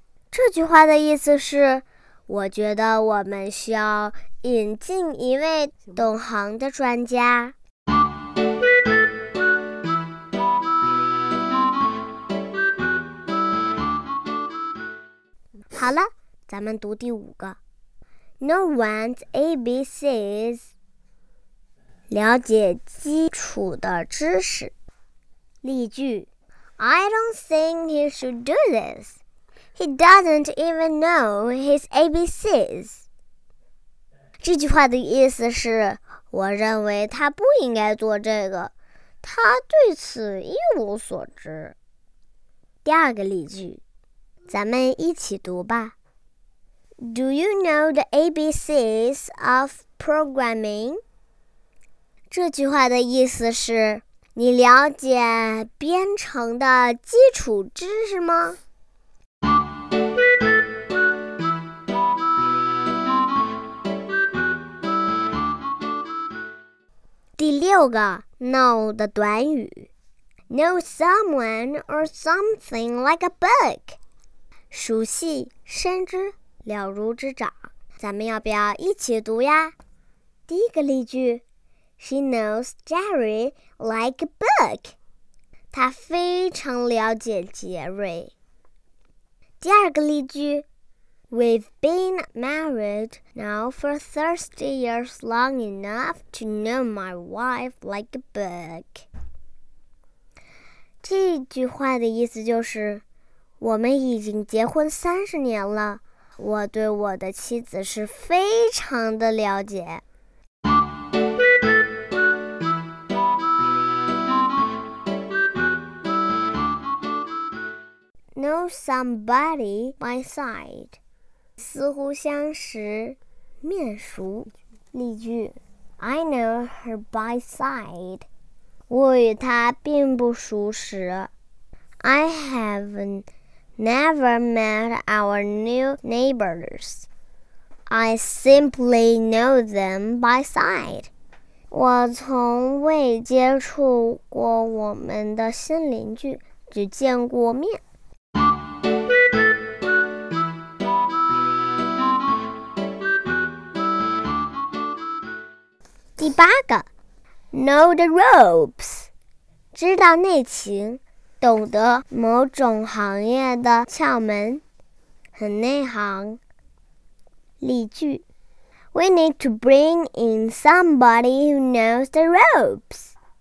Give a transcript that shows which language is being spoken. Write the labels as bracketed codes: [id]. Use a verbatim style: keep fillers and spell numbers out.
[zh] 这句话的意思是，我觉得我们需要引进一位懂行的专家。好了，咱们读第五个 [en] Know one's A B Cs， [zh] 了解基础的知识。例句 [en] I don't think he should do this. He doesn't even know his A B Cs。 [zh] 这句话的意思是，我认为他不应该做这个，他对此一无所知。第二个例句，咱们一起读吧。 [en] Do you know the A B Cs of programming？ [zh] 这句话的意思是，你了解编程的基础知识吗？第六个 know 的短语 [en] Know someone or something like a book， [zh] 熟悉，深知，了如指掌。咱们要不要一起读呀？第一个例句 [en] She knows Jerry like a book. [zh] 她非常了解杰瑞。第二个例句 [en] We've been married now for thirty years long enough to know my wife like a book. [zh] 这句话的意思就是我们已经结婚三十年了，我对我的妻子是非常的了解。 [en] Know somebody by sight. [zh] 似乎相识，面熟。例句 [en] I know her by sight. [zh] 我与她并不熟识。 [en] I haven't never met our new neighbors. I simply know them by sight. [zh] 我从未接触过我们的新邻居，只见过面。第八个 [en] Know the ropes. [zh] 知道内情，懂得某种行业的窍门，很内行。例句 [en] We need to bring in somebody who knows the ropes.